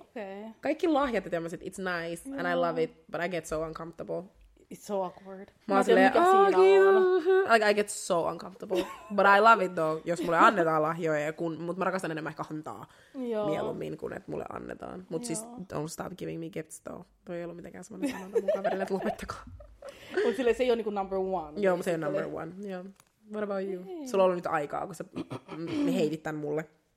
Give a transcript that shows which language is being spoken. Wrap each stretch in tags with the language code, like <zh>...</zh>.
<en>Okay.</en> <fi>Kaikki lahjat ja tämmöset,</fi> <en>it's nice, and I love it, but I get so uncomfortable. It's so awkward.</en> <fi>Mä oon silleen, oh, kiitos.</fi> <en>Like, I get so uncomfortable. But I love it though,</en> <fi>jos mulle annetaan lahjoja. Mutta mä rakastan enemmän ehkä antaa mieluummin, kuin että mulle annetaan. Mut siis,</fi> <en>don't stop giving me gifts though.</en> <fi>Toi ei ollut mitenkään semmoinen sanota mun kaverille, että lopettakaa. Mut silleen, se ei ole niinku number one. Joo, mutta se ei ole</fi> <en>number one. Yeah. What about you? Hey.</en> <fi>Sulla on ollut nyt aikaa, kun sä heitit tän mulle.</fi>